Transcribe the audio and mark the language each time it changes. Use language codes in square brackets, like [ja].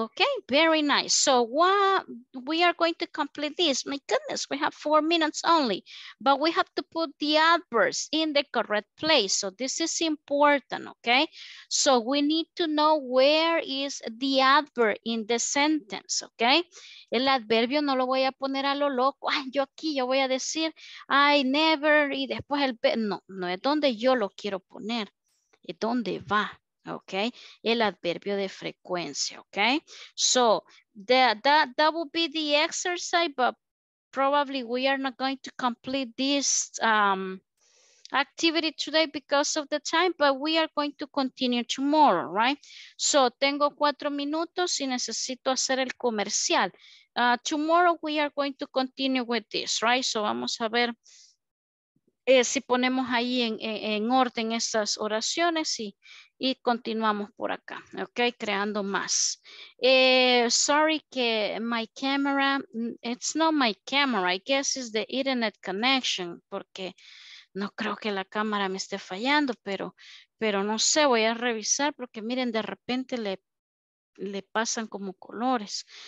[en] Okay, very nice. So what we are going to complete this. My goodness, we have 4 minutes only, but we have to put the adverbs in the correct place. So this is important, okay? So we need to know where is the adverb in the sentence, okay? [es] El adverbio no lo voy a poner a lo loco. Ay, yo aquí yo voy a decir, [en] I never, [es] y después el, no, no es donde yo lo quiero poner, es donde va. Okay, el adverbio de frecuencia. [en] Okay, so that will be the exercise, but probably we are not going to complete this activity today because of the time, but we are going to continue tomorrow, right? [es] So tengo 4 minutos y necesito hacer el comercial. [en] Tomorrow we are going to continue with this, right? [es] So vamos a ver si ponemos ahí en orden estas oraciones y continuamos por acá, okay, creando más. Sorry que [en] my camera, it's not my camera, I guess it's the internet connection, [es] porque no creo que la cámara me esté fallando, pero no sé, voy a revisar, porque miren, de repente le pasan como colores.